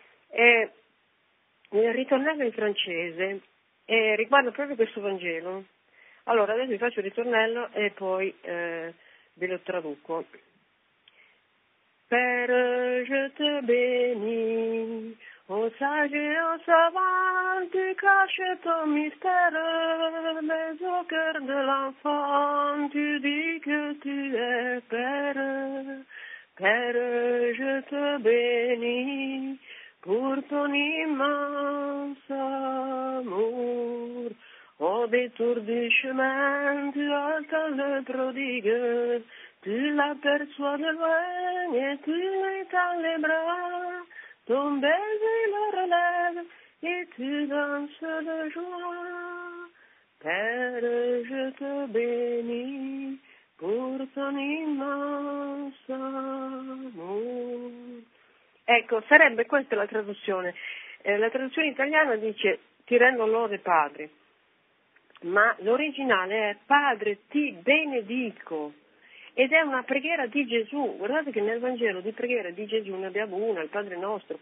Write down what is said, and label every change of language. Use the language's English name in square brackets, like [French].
[Italian] E il ritornello in francese. E riguardo proprio questo Vangelo, allora adesso vi faccio il ritornello e poi ve lo traduco. [French] Père, je te bénis, ô sage et ô savant, tu caches ton mystère, mais au cœur de l'enfant, tu dis que tu es père. Père, je te bénis. Pour ton immense amour, ô détour du chemin, tu entends le prodigue, tu l'aperçois de loin et tu l'étends les bras, ton baiser le relève et tu danses de joie. Père, je te bénis pour ton immense amour. [Italian] Ecco, sarebbe questa la traduzione. La traduzione italiana dice ti rendo lode padre, ma l'originale è padre ti benedico ed è una preghiera di Gesù. Guardate che nel Vangelo di preghiera di Gesù ne abbiamo una, il Padre nostro.